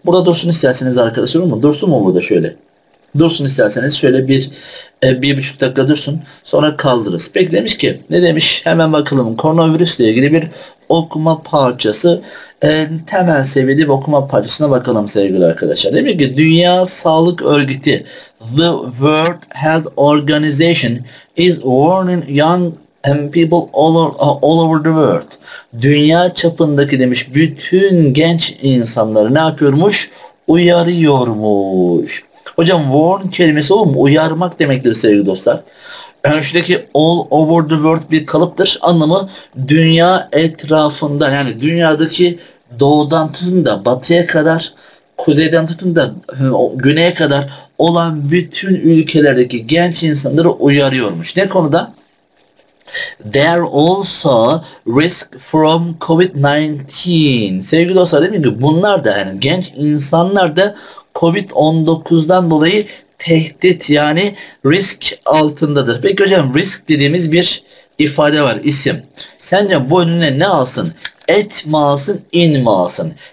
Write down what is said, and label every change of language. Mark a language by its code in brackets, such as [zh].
[tr] Burada dursun isterseniz arkadaşlar. Mu? Dursun mu burada şöyle? Dursun isterseniz şöyle bir buçuk dakika dursun sonra kaldırırız. Peki demiş ki ne demiş hemen bakalım koronavirüsle ilgili bir okuma parçası temel seviyeli bir okuma parçasına bakalım sevgili arkadaşlar. Demek ki Dünya Sağlık Örgütü [en] The World Health Organization is warning young and people all over the world. [tr] Dünya çapındaki demiş bütün genç insanları ne yapıyormuş uyarıyormuş. Hocam warn kelimesi olur mu? Uyarmak demektir sevgili dostlar. Şuradaki [en] all over the world [tr] bir kalıptır. Anlamı dünya etrafında yani dünyadaki doğudan tutun da batıya kadar kuzeyden tutun da güneye kadar olan bütün ülkelerdeki genç insanları uyarıyormuş. Ne konuda? [en] There also risk from COVID-19. [tr] Sevgili dostlar, demin ki bunlar da yani genç insanlar da COVID-19'dan dolayı tehdit, yani risk altındadır. Peki hocam, risk dediğimiz bir ifade var, isim. Sence bu önüne ne alsın? Et mi alsın, in mi alsın?